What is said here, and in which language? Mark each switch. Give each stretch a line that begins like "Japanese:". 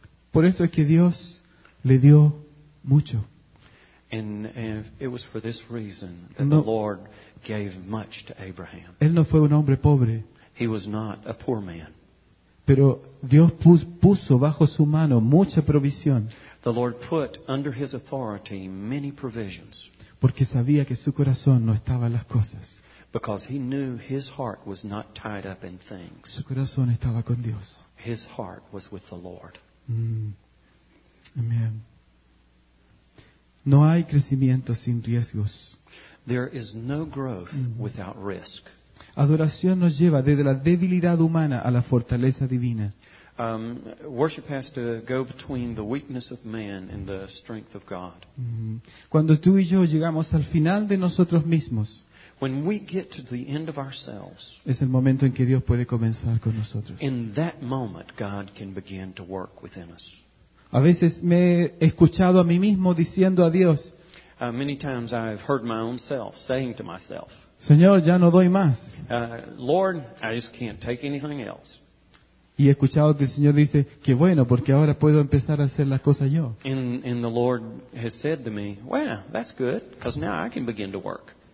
Spanish: Por eso es que Dios le dio mucho.
English: And it was for this reason that the Lord gave much to Abraham.
Spanish: Él no fue un hombre pobre.
English: He was not a poor man.
Spanish: Pero Dios puso bajo su mano mucha provisión.
English: The Lord put under his authority many provisions.
Spanish: Porque sabía que su corazón no estaba en las cosas.
English: Because he knew his heart was not tied up in things.
Spanish: Su corazón estaba con Dios.
English: His heart was with the Lord.
Spanish: Amen. No hay crecimiento sin riesgos.
English: There is no growth without risk.
Spanish: Adoración nos lleva desde la debilidad humana a la fortaleza divina.
English: Worship has to go between the weakness of man and the strength of God.
Spanish: Cuando tú y yo llegamos al final de nosotros mismos,
English: when we get to the end of ourselves,
Spanish: es el momento en que Dios puede comenzar con nosotros.
English: In that moment, God can begin to work within us.
Spanish: A veces me he escuchado a mí mismo diciendo a Dios,
English: many times I've heard my own self saying to myself,
Spanish: Señor, ya no doy más.
English: Lord, I just can't take anything else.
Spanish: Y he escuchado que el Señor dice, qué bueno, porque ahora puedo empezar a hacer las cosas yo.
English: And the Lord has said to me, well, that's good, because now I can begin to work.